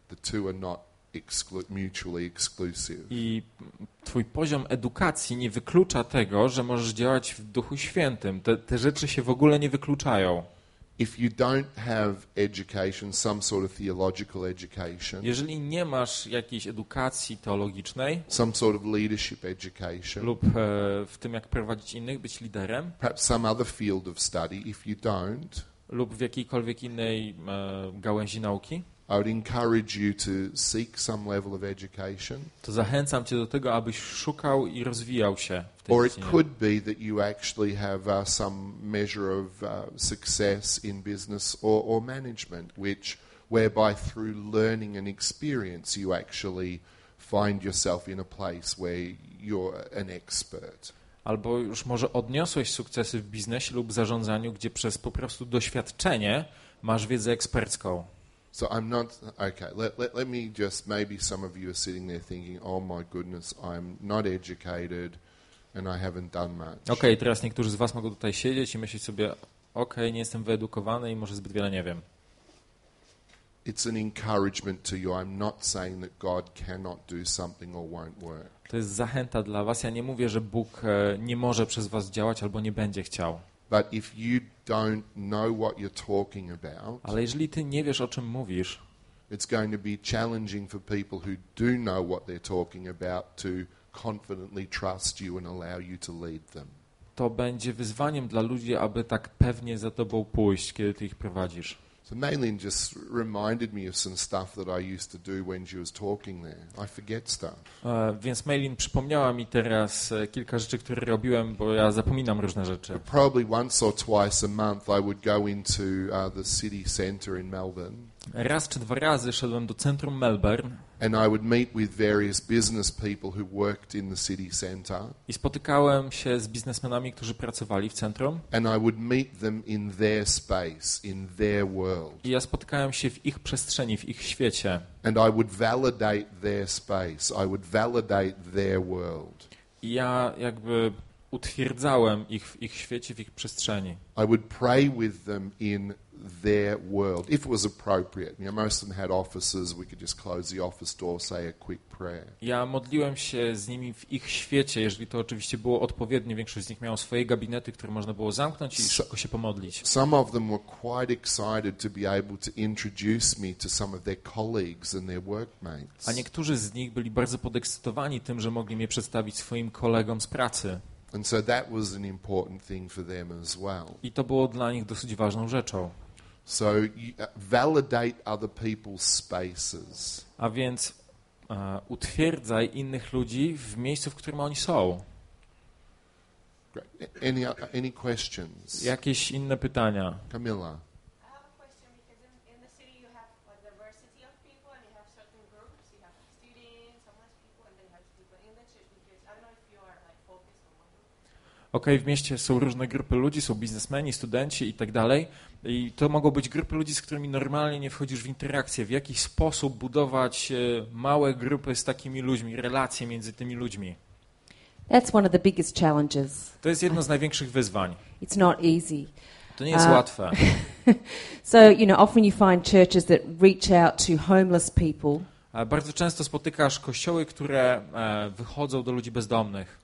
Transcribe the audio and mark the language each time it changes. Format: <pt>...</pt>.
<en>The two are not mutually exclusive.</en> <pl>I twój poziom edukacji nie wyklucza tego, że możesz działać w Duchu Świętym. Te rzeczy się w ogóle nie wykluczają.</pl> <en>if you don't have education, some sort of theological education,</en> <pl>jeżeli nie masz jakiejś edukacji teologicznej,</pl> <en>some sort of leadership education,</en> <pl>lub w tym jak prowadzić innych, być liderem,</pl> <en>perhaps some other field of study, if you don't,</en> <pl>lub w jakiejkolwiek innej gałęzi nauki,</pl> <en>I would encourage you to seek some level of education.</en> <pl>To zachęcam cię do tego, abyś szukał i rozwijał się w tej</pl> <en>or it could be that you actually have some measure of success in business or management, which whereby through learning and experience you actually find yourself in a place where you're an expert.</en> <pl>Albo już może odniosłeś sukcesy w biznesie lub zarządzaniu, gdzie przez po prostu doświadczenie masz wiedzę ekspercką.</pl> <en>So I'm not okay. Let me just maybe some of you are sitting there thinking, oh my goodness, I'm not educated and I haven't done much.</en> <pl>Okay, teraz niektórzy z was mogą tutaj siedzieć i myśleć sobie, okay, nie jestem wyedukowany i może zbyt wiele nie wiem.</pl> <en>It's an encouragement to you. I'm not saying that God cannot do something or won't work.</en> <pl>To jest zachęta dla was. Ja nie mówię, że Bóg nie może przez was działać albo nie będzie chciał.</pl> <en>But if you don't know what you're talking about,</en> <pl>ale jeżeli ty nie wiesz, o czym mówisz,</pl> <en>it's going to be challenging for people who do know what they're talking about to confidently trust you and allow you to lead them.</en> <pl>To będzie wyzwaniem dla ludzi, aby tak pewnie za tobą pójść, kiedy ty ich prowadzisz.</pl> <en>So Maylene just reminded me of some stuff that I used to do when she was talking there. I forget stuff.</en> <pl>Więc Maylene przypomniała mi teraz kilka rzeczy, które robiłem, bo ja zapominam różne rzeczy.</pl> <en>But probably once or twice a month I would go into the city center in Melbourne.</en> <pl>Raz czy dwa razy szedłem do centrum Melbourne.</pl> <en>And I would meet with various business people who worked in the city center.</en> <pl>I spotykałem się z biznesmenami, którzy pracowali w centrum.</pl> <en>And I would meet them in their space, in their world.</en> <pl>I ja spotykałem się w ich przestrzeni, w ich świecie.</pl> <en>And I would validate their space, I would validate their world.</en> <pl>I ja jakby utwierdzałem ich w ich świecie, w ich przestrzeni.</pl> <en>I would pray with them in their world, if it was appropriate. You know, most of them had offices, we could just close the office door, say a quick prayer.</en> <pl>Ja modliłem się z nimi w ich świecie, jeżeli to oczywiście było odpowiednie. Większość z nich miało swoje gabinety, które można było zamknąć i szybko się pomodlić.</pl> <en>Some of them were quite excited to be able to introduce me to some of their colleagues and their workmates.</en> <pl>A niektórzy z nich byli bardzo podekscytowani tym, że mogli mnie przedstawić swoim kolegom z pracy.</pl> <en>And so that was an important thing for them as well.</en> <pl>I to było dla nich dosyć ważną rzeczą.</pl> <en>So you validate other people's spaces.</en> <pl>A więc utwierdzaj innych ludzi w miejscu, w którym oni są.</pl> <en>Great. Any questions?</en> <pl>Jakieś inne pytania? Camilla. Okej, w mieście są różne grupy ludzi, są biznesmeni, studenci i tak dalej. I to mogą być grupy ludzi, z którymi normalnie nie wchodzisz w interakcję. W jaki sposób budować małe grupy z takimi ludźmi, relacje między tymi ludźmi?</pl> <en>That's one of the biggest challenges.</en> <pl>To jest jedno z największych wyzwań.</pl> <en>It's not easy.</en> <pl>To nie jest łatwe.</pl> <en>So, you know, often you find churches that reach out to homeless people.</en> <pl>Bardzo często spotykasz kościoły, które wychodzą do ludzi bezdomnych.</pl>